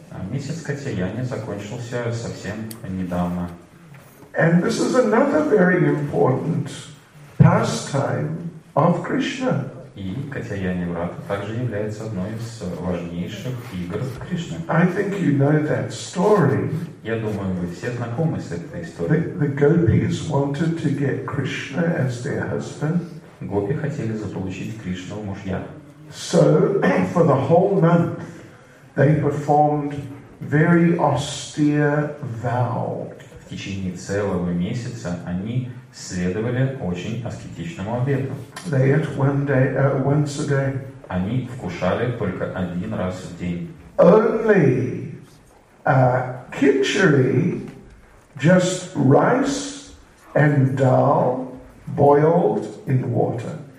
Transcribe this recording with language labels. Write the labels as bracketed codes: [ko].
[ru] Месяц Катьяяни закончился совсем недавно. [en] And this is another very important pastime of Krishna. [ru] И Катьяяни Врата также является одной из важнейших игр Кришны. [en] I think you know that story. [ru] Я думаю, вы все знакомы с этой историей. [en] The gopis wanted to get Krishna as their husband. [ru] Гопи хотели заполучить Кришну в мужья. [en] So for the whole month they performed very austere vow. [ru] В течение целого месяца они следовали очень аскетичному обету. [en] They ate once a day. [ru] Они вкушали только один раз в день. [en] Only Khichdi just rice and dal boiled in water.